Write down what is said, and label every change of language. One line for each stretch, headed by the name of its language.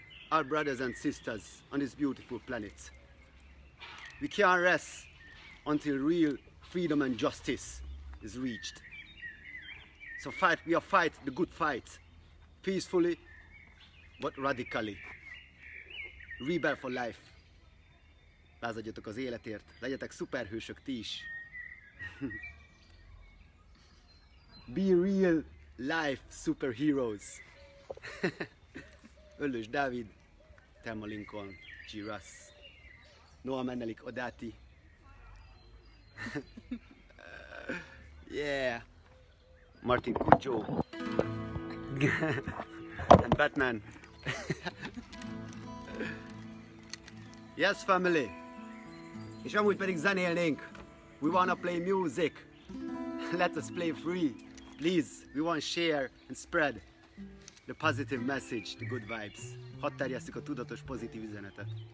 English: Our brothers and sisters on this beautiful planet. We can't rest until real freedom and justice is reached. So fight, we are fight the good fight, peacefully but radically. Rebel for life.
Hungarian: Lázadjatok az életért, legyetek szuperhősök ti is.
English: Be real life superheroes. Öllős Dávid, Telma Lincoln, G Ras, Noah Mennelik, Odati. Yeah. Martin Kucho. And Batman. Yes, family.
Hungarian: És amúgy pedig zenélnénk.
English: We wanna play music. Let us play free. Please, we want to share and spread the positive message, the good vibes.
Hungarian: Hadd terjesszük a tudatos pozitív üzenetet.